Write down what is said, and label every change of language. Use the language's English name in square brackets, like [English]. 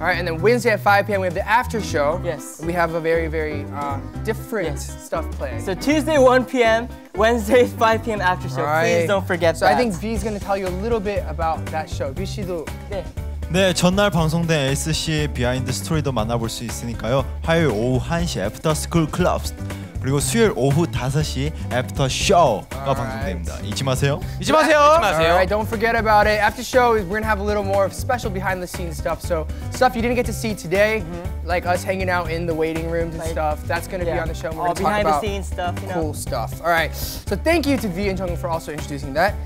[English] Alright, and then Wednesday at 5 p.m. we have the after show. Yes. We have a very very different stuff playing. So Tuesday 1 p.m. Wednesday 5 p.m. after show. Right. Please don't forget that. So I think B is going to tell you a little bit about that show. [Korean] B 씨도. 네. 네, 전날 방송된 ASC의 비하인드 스토리도 만나볼 수 있으니까요. 화요일 오후 1시 애프터 스쿨 클럽 그리고 수요일 오후 5시 애프터 쇼가 방송됩니다. 잊지 마세요. 잊지 마세요. 잊지 마세요. [English] Alright, don't forget about it. After show, we're gonna have a little more special behind the scenes stuff. So, stuff you didn't get to see today, like us hanging out in the waiting rooms and stuff, that's gonna be on the show. All behind the scenes stuff, you know. Cool stuff. Alright, so thank you to V and Jungkook for also introducing that.